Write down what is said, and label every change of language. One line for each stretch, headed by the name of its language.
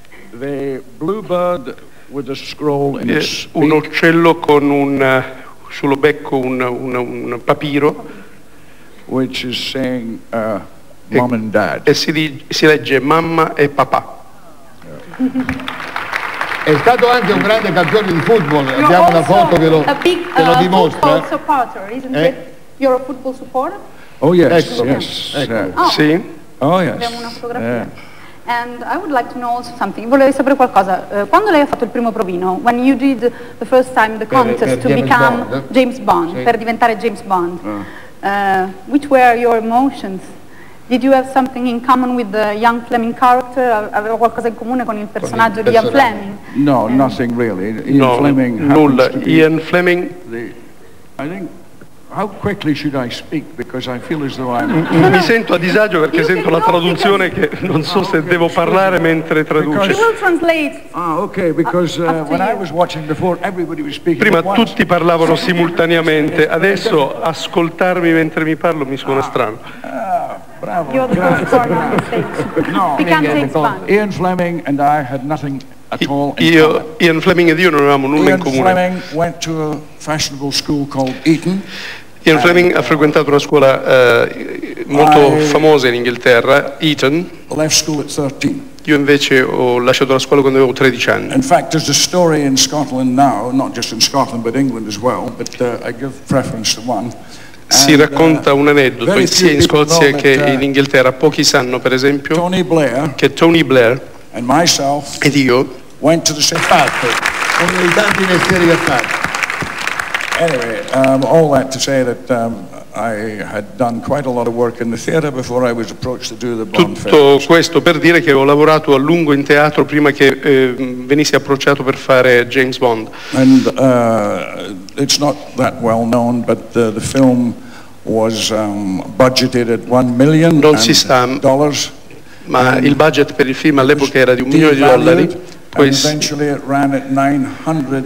English: The bluebird with a scroll in its beak.
Italian: Un uccello con un sullo becco un papiro,
English: which is saying mom and dad.
Italian: E si legge mamma e papà. È stato anche un grande campione di football. Abbiamo una foto che lo dimostra.
English: Football supporter, isn't it? You're a football supporter. Oh yes,
Italian: sì. Oh,
English: yes.
Italian: Abbiamo una fotografia.
English: And I would like to know also something.
Italian: Volevo sapere qualcosa. Quando lei ha fatto il primo provino?
English: When you did the first time the contest
Italian: per
English: James become Bond. James Bond,
Italian: sì. Per diventare James Bond.
English: Which were your emotions? Did you have something in common with the Ian Fleming character?
Italian: Aveva qualcosa in comune con il personaggio di Ian Fleming?
English: No, nothing really. Ian Fleming. How quickly should I speak? Because I feel as though I'm...
Italian: Mi sento a disagio perché sento la traduzione che non so se devo parlare mentre traduce.
English: She will translate. Ah, okay, because when I was watching before, everybody was speaking.
Italian: Prima tutti parlavano simultaneamente. Adesso ascoltarmi mentre mi parlo mi suona strano. Bravo.
English: You're the first foreigner. No, James Bond. Ian Fleming and I had nothing at all in common.
Italian: Ian Fleming ed io non avevamo nulla in comune.
English: Ian Fleming went to a fashionable school called Eton.
Italian: Ian Fleming ha frequentato una scuola molto famosa in Inghilterra, Eton.
English: Left school at 13.
Italian: Io invece ho lasciato la scuola quando avevo 13 anni.
English: In fact, there's a story in Scotland now, not just in Scotland but England as well, but I give preference to one.
Italian: Si racconta un aneddoto sia in Scozia che in Inghilterra. Pochi sanno, per esempio, che Tony Blair
English: and myself
Italian: ed io
English: went to the same party.
Italian: Con i tanti mestieri che ha fatto.
English: Anyway, all that to say that I had done quite a lot of work in the theater before I was approached to do the Bond film.
Italian: Tutto questo per dire che ho lavorato a lungo in teatro prima che venissi approcciato per fare James Bond.
English: And it's not that well known, but the film was budgeted at $1 million.
Italian: Non si sa, ma il budget per il film all'epoca era di $1 million.
English: And eventually it ran at 900.